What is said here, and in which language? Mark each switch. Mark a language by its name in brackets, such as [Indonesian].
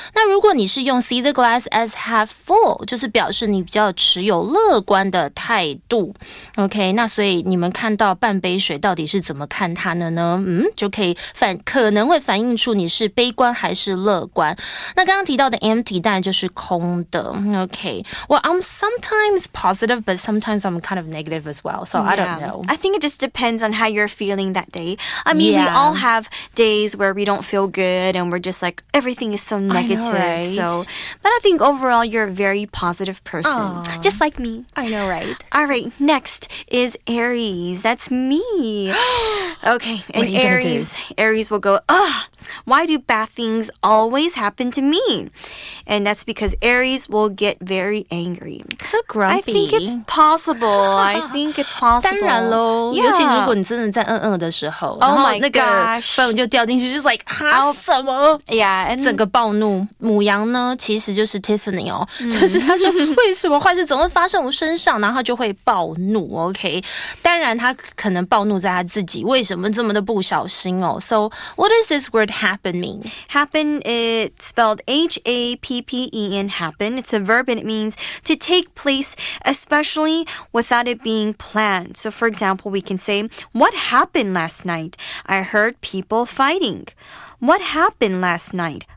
[Chinese] 那如果你是用 [English] see the glass as half full, [Chinese] 就是表示你比较持有乐观的态度。 OK, 那所以你们看到半杯水到底是怎么看它的呢？就可能会反映出你是悲观还是乐观。那刚刚提到的 empty, 当然就是空的。 [English] OK, well, I'm sometimes positive, but sometimes I'm kind of negative as well, so I don't know. I think it just depends on how you're feeling that day. I mean, we all have days where we don't feel good and we're just like, everything is so negative. I know, right? But I think overall, you're a very positive person. Aww. Just like me. I know, right? All right, next is Aries. That's me. Okay, and Aries will go, ugh, why do bad things always happen to me? And that's because Aries will get very angry. So grumpy. I think it's possible. [Chinese] Yeah. 当然咯。尤其如果你真的在的时候。 [English] Oh my gosh. [Chinese] 然后那个就掉进去就是 like, 哈什么 [English] Yeah. [Chinese] 整个暴怒。母羊呢其实就是 Tiffany 哦。就是他说为什么坏事总会发生我身上然后他就会暴怒 ,OK? 当然他可能暴怒在他自己为什么这么的不小心哦。 [English] So, what is this word? Happen mean? Happen, it's spelled H-A-P-P-E-N, happen. It's a verb and it means to take place, especially without it being planned. So, for example, we can say, what happened last night? I heard people fighting. What happened last night?